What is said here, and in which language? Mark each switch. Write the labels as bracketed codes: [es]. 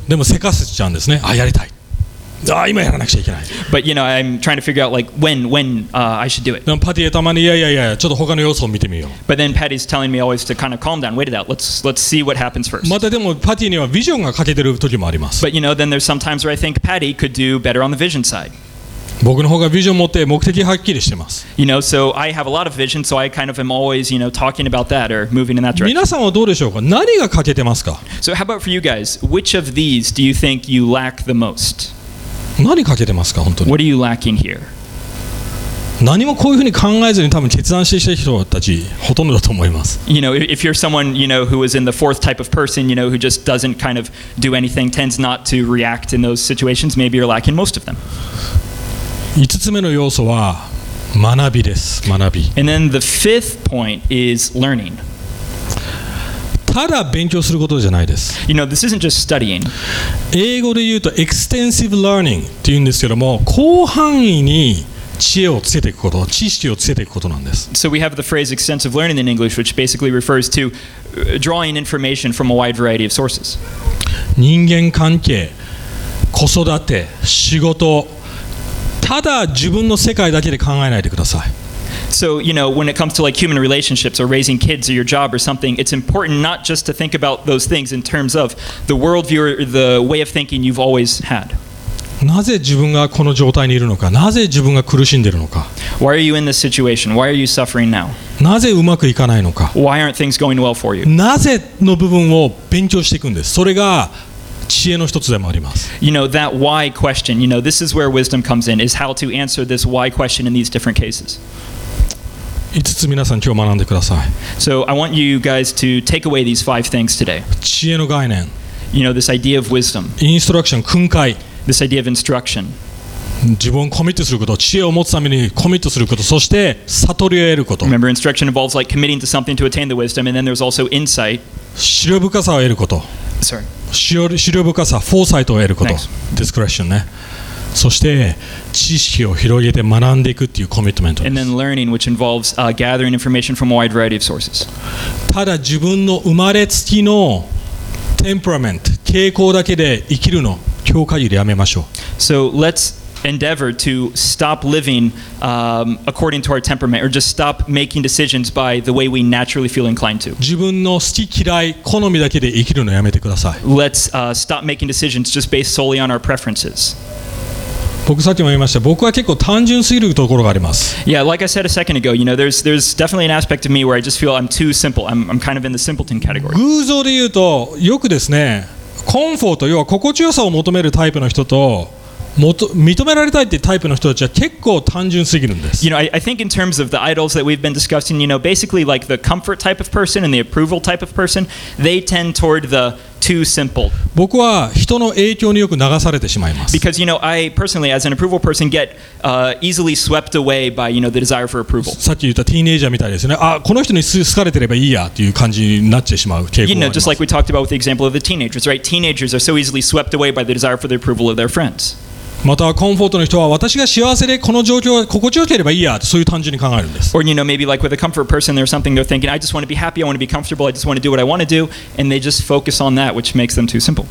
[ja] でも、せかせちゃうんですね。あ、やりたい。あ、今やらなくちゃいけない。 [en] But you know, I'm trying to figure out like when I should do it. [ja] でも、パティはたまに、いや、ちょっと他の要素を見てみよう。 [en] But then Patty's telling me always to kind of calm down, wait it out, let's see what happens first. [ja] またでも、パティにはビジョンが欠けてる時もあります。 [en] But you know, then there's some times where I think Patty could do better on the vision side. [ja] 僕の方がビジョン持って目的はっきりしてます。 [en] You know, so I have a lot of vision, so I kind of am always, you know, talking about that or moving in that direction. [ja] 皆さんはどうでしょうか？何が欠けてますか？ [en] So how about for you guys? Which of these do you think you lack the most? [ja] 何欠けてますか？本当に。 [en] What are you lacking here? [ja] 何もこういうふうに考えずに多分決断してきた人たちほとんどだと思います。 [en] You know, if you're someone, you know, who is in the fourth type of person, you know, who just doesn't kind of do anything, tends not to react in those situations, maybe you're lacking most of them. [ja] 5つ目の要素は学びです。学び。 [en] And then the fifth point is learning. [ja] ただ勉強することじゃないです。 [en] You know, this isn't just studying. [ja] 英語で言うと extensive learning っていうんですけども、広範囲に知恵をつけていくこと、知識をつけていくことなんです。 [en] So we have the phrase extensive learning in English, which basically refers to drawing information from a wide variety of sources. [ja] 人間関係、子育て、仕事、ただ自分の世界だけで考えないでください。 [en] So, you know, when it comes to like human relationships or raising kids or your job or something, it's important not just to think about those things in terms of the worldview or the way of thinking you've always had. [ja] なぜ自分がこの状態にいるのか、なぜ自分が苦しんでいるのか。 [en] Why are you in this situation? Why are you suffering now? [ja] なぜうまくいかないのか。 [en] Why aren't things going well for you? [ja] なぜの部分を勉強していくんです。それが知恵の一つでもあります。 [en] You know, that why question, you know, this is where wisdom comes in, is how to answer this why question in these different cases. [ja] 5つ皆さん今日学んでください。 [en] So I want you guys to take away these five things today. [ja] 知恵の概念。 [en] You know, this idea of wisdom. [ja] インストラクション、訓戒。 [en] This idea of instruction. [ja] 自分をコミットすること、知恵を持つためにコミットすること、そして悟りを得ること。 [en] Remember, instruction involves like committing to something to attain the wisdom, and then there's also insight. [ja] 思慮深さを得ること。 [en] Sorry. [ja] 思慮深さ、フォーサイトを得ること、ディスクレッションね。そして、知識を広げて学んでいくっていうコミットメントです。 [en] And then learning, which involves, gathering information from a wide variety of sources. [ja] ただ自分の生まれつきのテンプラメント、傾向だけで生きるの、今日限りやめましょう。 [en] So let's endeavor to stop living, according to our temperament, or just stop making decisions by the way we naturally feel inclined to. [ja] 自分の好き嫌い好みだけで生きるのやめてください。 [en] Let's, stop making decisions just based solely on our preferences. [ja] 僕さっきも言いました。僕は結構単純すぎるところがあります。 [en] Yeah, like I said a second ago, you know, there's definitely an aspect of me where I just feel I'm too simple. I'm kind of in the simpleton category. [ja] 偶像で言うとよくですね、コンフォート、要は心地よさを求めるタイプの人と。認められたいってタイプの人たちは結構単純すぎるんです。 [en] You know, I think in terms of the idols that we've been discussing, you know, basically like the comfort type of person and the approval type of person, they tend toward the too simple. [ja] 僕は人の影響によく流されてしまいます。 [en] Because, you know, I personally, as an approval person, get easily swept away by, you know, the desire for approval. [ja] さっき言ったティーネイジャーみたいですね。あ、この人に好かれてればいいやっていう感じになってしまう傾向があります。 [en] You know, just like we talked about with the example of the teenagers, right? Teenagers are so easily swept away by the desire for the approval of their friends. [ja] またはコンフォートの人は私が幸せでこの状況が心地よければいいやとそういう単純に考えるんです。 [en] Or, you know, maybe like with a comfort person, there's something they're thinking, I just want to be happy, I want to be comfortable, I just want to do what I want to do, and they just focus on that, which makes them too simple.